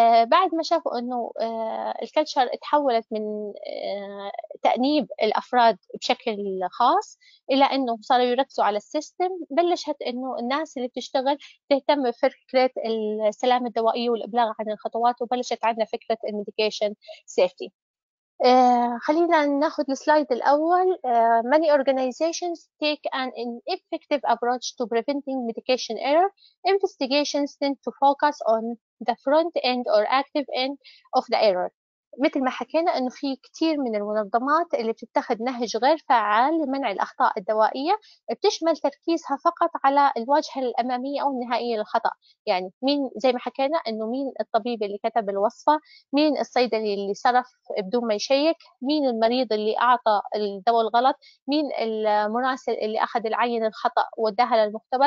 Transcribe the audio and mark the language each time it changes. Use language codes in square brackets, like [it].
[ar] بعد ما شافوا إنه الكلتشر اتحولت من تأنيب الأفراد بشكل خاص إلى إنه صاروا يركزوا على السيستم، بلشت إنه الناس اللي بتشتغل تهتم بفكرة السلامة الدوائية والإبلاغ عن الخطوات، وبلشت عندنا فكرة الميديكيشن سيفتي. خلينا ناخذ السلايد الأول. [en] Many organizations take an ineffective approach to preventing medication error. Investigations tend to focus on the front end or active end of the error. [ar] مثل ما حكينا إنه في كتير من المنظمات اللي بتتخذ نهج غير فعال لمنع الأخطاء الدوائية، بتشمل تركيزها فقط على الواجهة الأمامية أو النهائية للخطأ. يعني مين زي ما حكينا إنه مين الطبيب اللي كتب الوصفة، مين الصيدلي اللي صرف بدون ما يشيك، مين المريض اللي أعطى الدواء الغلط، مين المراسل اللي أخذ العينة الخطأ وداها للمختبر.